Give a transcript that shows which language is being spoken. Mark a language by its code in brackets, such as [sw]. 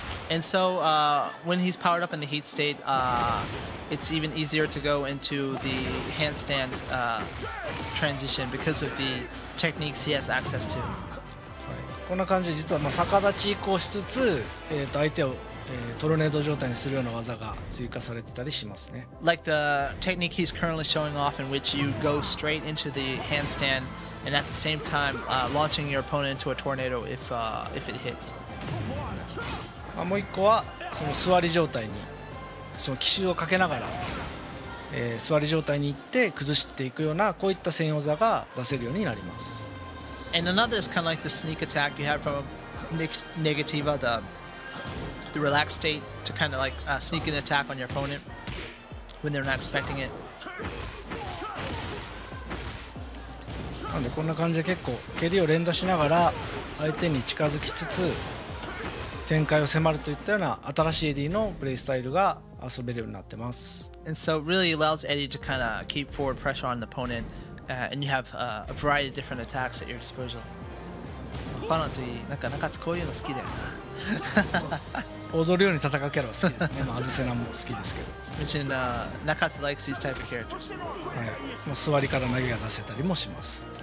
[en] And so when he's powered up in the heat state, it's even easier to go into the handstand transition because of the techniques he has access to. [ja] こんな感じで実はまあ逆立ち移行しつつ、相手を、トルネード状態にするような技が追加されてたりしますね。 [en] Like the technique he's currently showing off in which you go straight into the handstand and at the same time launching your opponent into a tornado if it hits. [ja] まあ、もう一個はその座り状態にその奇襲をかけながら、座り状態に行って崩していくようなこういった専用技が出せるようになります。 [en] And another is kind of like the sneak attack you have from negativa, the relaxed state to kind of like sneak an attack on your opponent when they're not expecting it. [ja] なんでこんな感じで結構蹴りを連打しながら相手に近づきつつ展開を迫るといったような新しいエディのプレイスタイルが遊べるようになってます。 [en] And so it really allows Eddie to kind of keep forward pressure on the opponent and you have a variety of different attacks at your disposal. [ja] ファンといい、なんか中津こういうの好きだよな。踊るように戦うキャラは好きですね。まあアズセナも好きですけど、 [en] 中津 likes these type of characters、 [ja] はい、まあ、座りから投げが出せたりもします。